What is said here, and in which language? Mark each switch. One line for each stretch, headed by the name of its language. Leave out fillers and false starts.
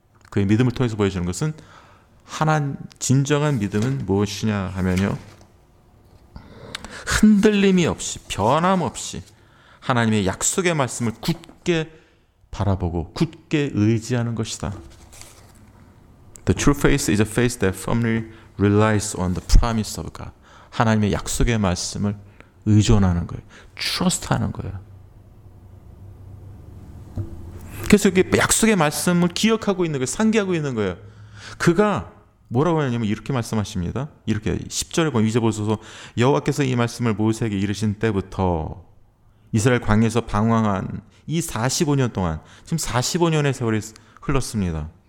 Korean: 그의 믿음을 통해서 보여주는 것은 진정한 믿음은 무엇이냐 하면요. 흔들림이 없이 변함없이 하나님의 약속의 말씀을 굳게 바라보고 굳게 의지하는 것이다.
English: The true faith is a faith that firmly relies on the promise of God.
Korean: 하나님의 약속의 말씀을 의존하는 거예요. Trust 하는 거예요. 그래서 이게 약속의 말씀을 기억하고 있는 거예요. 상기하고 있는 거예요. 그가 뭐라고 하냐면 이렇게 말씀하십니다. 이렇게 10절에 보면 이제 보소서 여호와께서 이 말씀을 모세에게 이르신 때부터 이스라엘 광야에서 방황한 이 45년 동안 지금 45년의 세월이 흘렀습니다.